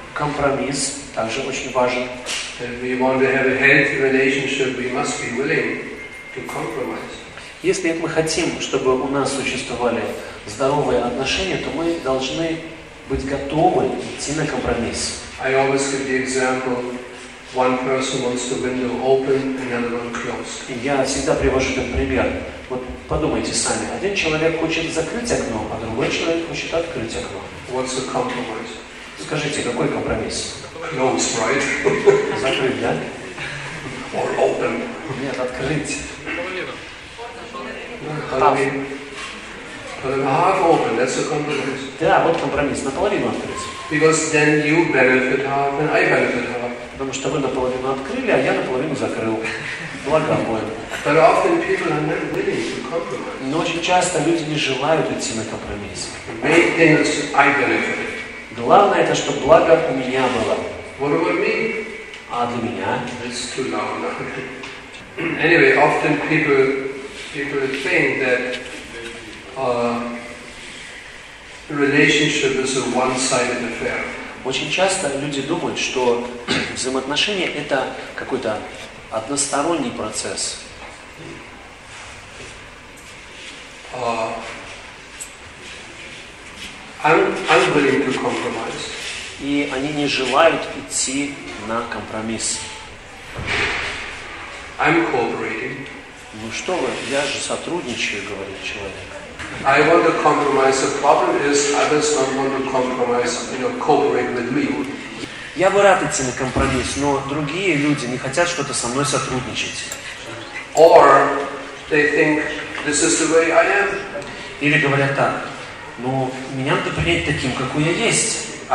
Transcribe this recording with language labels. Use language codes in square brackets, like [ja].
[ru] Компромисс также очень важен. [en] If we want to have a healthy relationship, we must be willing to compromise. [ru] Если мы хотим, чтобы у нас существовали здоровые отношения, то мы должны быть готовы идти на компромисс. [en] I always give the example, one person wants the window open, another one closed. [ru] Я всегда привожу этот пример. Вот подумайте сами, один человек хочет закрыть окно, а другой человек хочет открыть окно. [en] What's the compromise? [ru] Скажите, какой компромисс? [en] Close, right? [ru] Закрыть, да? [en] Or open? [ru] Нет, открыть. Наполовину. [en] Half open, that's a compromise. [ru] Да, вот компромисс, наполовину открыть. [en] Because then you benefit half and I benefit half. [ru] Потому что вы наполовину открыли, а я наполовину закрыл. Благо обоим. [en] But often people are not willing to compromise. [ru] Но очень часто люди не желают идти на компромисс. [en] Main thing is I benefit. [ru] Главное это, чтобы благо у меня было. [en] What about me? [ru] А для меня? [en] It's too long now. Anyway, often people think that relationship is a one-sided affair. [ru] Очень часто люди думают, что взаимоотношения это какой-то односторонний процесс. [en] I'm willing to compromise. [ru] И они не желают идти на компромисс. [en] I'm cooperating. [ru] Ну что вы, я же сотрудничаю, говорит человек. [en] I want to compromise. The problem is others don't want to compromise, you know, cooperate with me. [ru] Я бы рад идти на компромисс, но другие люди не хотят что-то со мной сотрудничать. [en] Or they think this is the way I am. [ru] Или говорят так. Но меня надо принять таким, какой я есть.